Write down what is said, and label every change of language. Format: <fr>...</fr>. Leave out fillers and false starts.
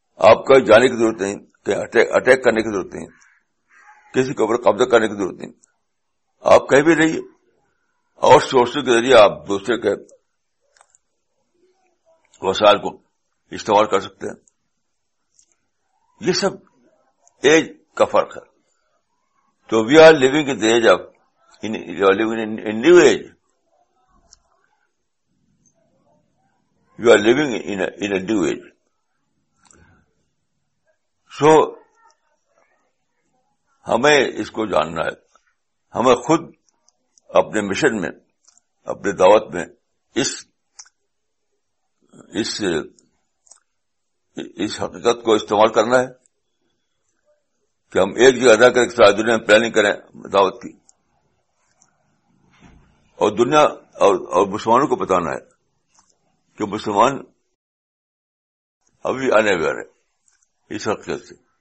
<ur>آپ کا جانے کی ضرورت نہیں, اٹیک کرنے کی ضرورت نہیں, کسی کے اوپر قبضہ کرنے کی ضرورت نہیں, آپ کہیں بھی رہیے, آؤٹ سورسنگ کے ذریعے آپ دوسرے کے وسائل کو استعمال کر سکتے ہیں. یہ سب ایج کا فرق ہے.</ur> <en>تو we are living in the age of new age, you are living in new age.</en> <ur>سو ہمیں اس کو جاننا ہے, ہمیں خود اپنے مشن میں, اپنے دعوت میں اس حقیقت کو استعمال کرنا ہے کہ ہم ایک جگہ رہ کر ساری دنیا میں پلاننگ کریں دعوت کی, اور دنیا اور مسلمانوں کو بتانا ہے کہ مسلمان ابھی آنے والے ہیں اس حقیقت سے.</ur>